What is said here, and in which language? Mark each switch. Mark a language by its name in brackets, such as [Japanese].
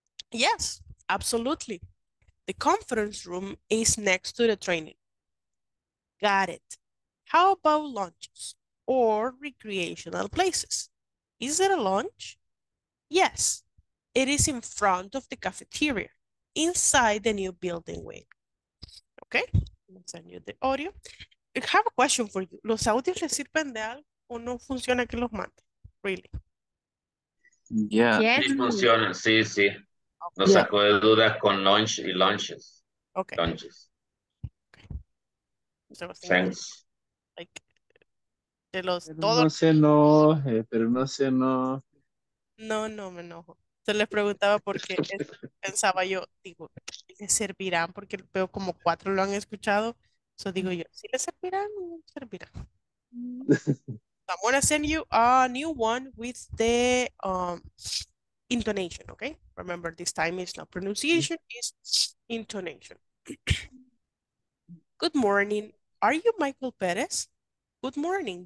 [English] Yes, absolutely. The conference room is next to the training. Got it. How about lunches or recreational places? Is there a lunch? Yes, it is in front of the cafeteria, inside the new building wing. Okay, let me send you the audio. I have a question for you. [Spanish] ¿Los audios les sirven de algo o no funciona que los mande? [English] Really? Yeah. Yes. [Spanish] Funciona, sí, sí. Nos yeah. sacó de dudas con lunch y lunches. [English] Okay. Lunches. Okay. Thanks. Like, [Spanish] de los pero todos. No se enoje, pero no se enoje. No, no me enojo. Se les preguntaba porque pensaba yo, digo, ¿le servirán? Porque veo como cuatro lo han escuchado. So digo yo, si le servirán, no servirán. [English] I'm gonna send you a new one with the intonation, okay? Remember, this time is not pronunciation, it's intonation. Good morning. Are you Michael Perez? Good morning.